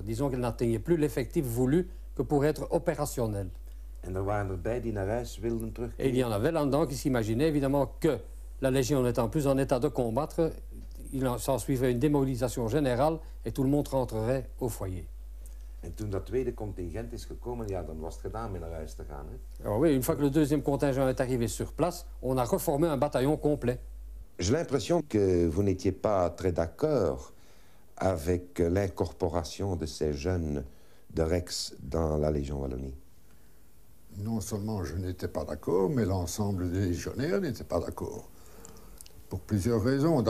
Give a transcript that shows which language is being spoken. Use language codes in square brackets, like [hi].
[fr] Disons qu'elle n'atteignait plus l'effectif voulu que pour être opérationnelle. Et il y en avait là-dedans qui s'imaginaient évidemment que la Légion n'étant plus en état de combattre, il s'en suivrait une démobilisation générale et tout le monde rentrerait au foyer. [nl] En toen dat tweede contingent is gekomen, ja, dan was het gedaan met naar huis te gaan. Hè? [fr] Oh oui, une fois que le deuxième contingent est arrivé sur place, on a reformé un bataillon complet. J'ai l'impression que vous n'étiez pas très d'accord avec l'incorporation de ces jeunes de Rex dans la Légion Wallonie. Non seulement je n'étais pas d'accord, mais l'ensemble des légionnaires n'étaient pas d'accord. Pour plusieurs raisons.